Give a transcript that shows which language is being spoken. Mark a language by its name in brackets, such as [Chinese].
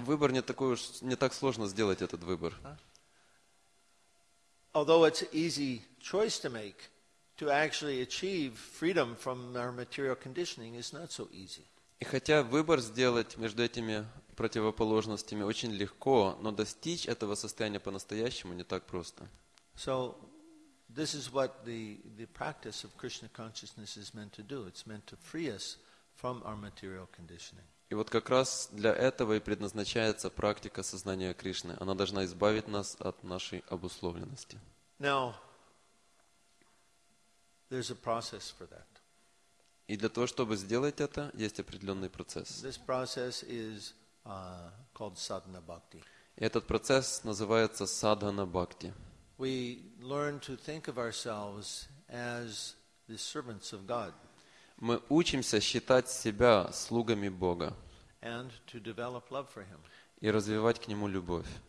[Russian] Выбор не такой уж, не так сложно сделать этот выбор. [English] Although it's an easy choice to make, to actually achieve freedom from our material conditioning is not so easy. [Russian] И хотя выбор сделать между этими противоположностями очень легко, но достичь этого состояния по-настоящему не так просто. [English] So, this is what the practice of Krishna consciousness is meant to do. It's meant to free us from our material conditioning. [Russian] И вот как раз для этого и предназначается практика сознания Кришны. Она должна избавить нас от нашей обусловленности. [English] Now, there's a process for that. [Russian] И для того, чтобы сделать это, есть определенный процесс. [English] This process is called sadhana bhakti. [Russian] И этот процесс называется садхана бхакти. [English] We learn to think of ourselves as the servants of God. [Russian] Мы учимся считать себя слугами Бога. [English] And to develop love for Him. [Russian] И развивать к Нему любовь.